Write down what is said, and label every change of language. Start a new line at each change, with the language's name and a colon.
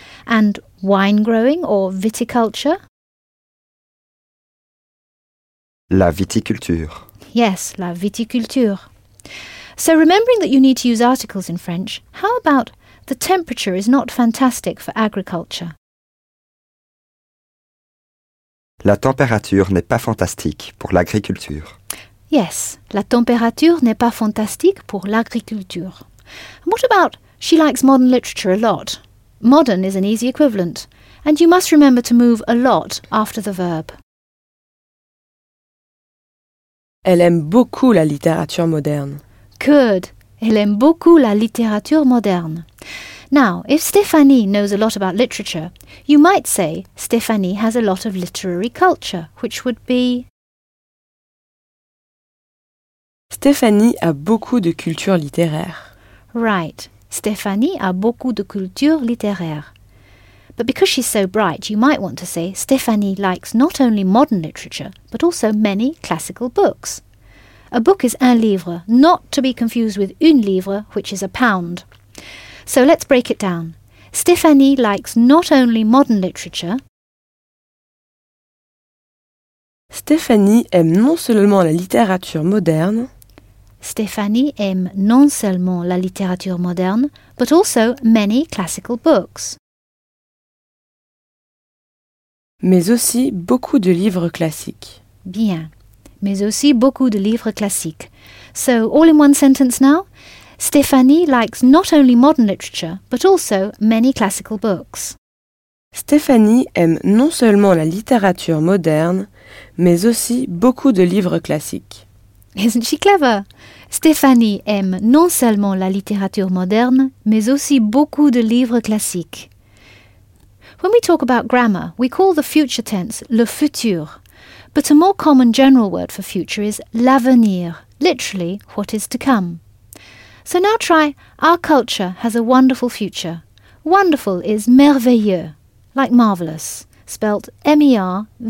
English: And wine growing or viticulture?
French: La viticulture.
English: Yes,
French: la viticulture.
English: So remembering that you need to use articles in French, how about the temperature is not fantastic for agriculture?
French: La température n'est pas fantastique pour l'agriculture. Yes, la température n'est pas fantastique pour l'agriculture.
English: And what about She likes modern literature a lot. Modern is an easy equivalent, and you must remember to move a lot after the verb.
French: Elle aime beaucoup la littérature moderne.
English: Good.
French: Elle aime beaucoup la littérature moderne.
English: Now, if Stéphanie knows a lot about literature, you might say Stéphanie has a lot of literary culture, which would be...
French: Stéphanie a beaucoup de culture littéraire.
English: Right.
French: Stéphanie a beaucoup de culture littéraire.
English: But because she's so bright, you might want to say Stéphanie likes not only modern literature, but also many classical books. A book is un livre, not to be confused with une livre, which is a pound. So let's break it down. Stéphanie likes not only modern literature.
French: Stéphanie aime non seulement la littérature moderne. Stéphanie aime non seulement la littérature moderne,
English: but also many classical books.
French: Mais aussi beaucoup de livres classiques. Bien. Mais aussi beaucoup de livres classiques.
English: So, all in one sentence now. Stéphanie likes not only modern literature, but also many classical books.
French: Stéphanie aime non seulement la littérature moderne, mais aussi beaucoup de livres classiques.
English: Isn't she clever?
French: Stéphanie aime non seulement la littérature moderne, mais aussi beaucoup de livres classiques.
English: When we talk about grammar, we call the future tense le futur. But a more common general word for future is l'avenir, literally what is to come. So now try, our culture has a wonderful future. Wonderful is merveilleux, like marvellous, spelt merveilleux.